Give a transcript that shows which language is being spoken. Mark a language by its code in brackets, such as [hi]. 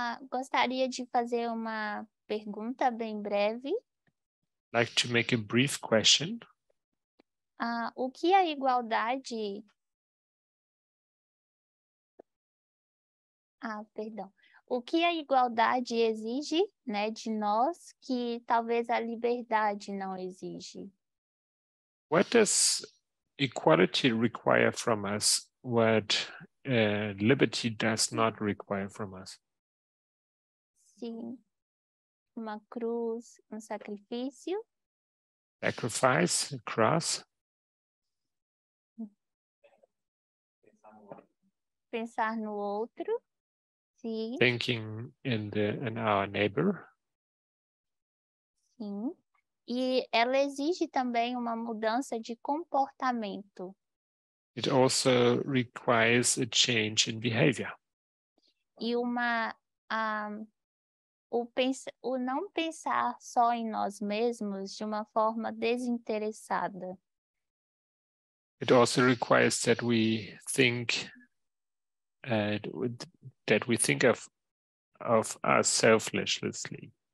[pt] Gostaria de fazer uma pergunta bem breve. [en] Like to make a brief question. [pt] O que a igualdade... perdão. O que a igualdade exige, né, de nós, que talvez a liberdade não exige? [en] What does equality require from us, what liberty does not require from us? [pt] Sim, uma cruz, sacrifício. [en] Sacrifice, a cross. [pt] Pensar no outro. Sim. [en] Thinking in our neighbor. [pt] Sim. E ela exige também uma mudança de comportamento. [en] It also requires a change in behavior. [pt] E uma o não pensar só em nós mesmos de uma forma desinteressada. [en] It also requires that we think that we think of us selflessly.